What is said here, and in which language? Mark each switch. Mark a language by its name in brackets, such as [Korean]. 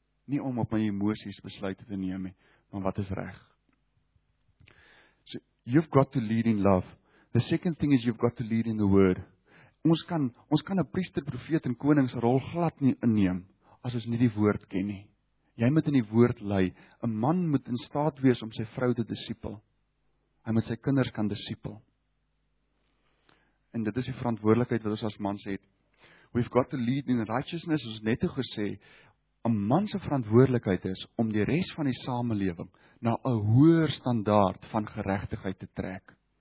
[Afrikaans] Nie om op my emosies besluite te neem, maar wat is reg. [English] So, you've got to lead in love. The second thing is you've got to lead in the word. [Afrikaans] Ons kan 'n priester, profeet en koningsrol glad nie inneem as ons nie die woord ken nie. Jy moet in die woord lei. 'N man moet in staat wees om sy vrou te disipel. Hy moet sy kinders kan disipel. En dit is die verantwoordelikheid wat ons as mans het. [English] We've got to lead in righteousness, [Afrikaans] ons net toe gesê, 'n man se verantwoordelikheid is om die res van die samelewing na 'n hoër standaard van geregtigheid te trek.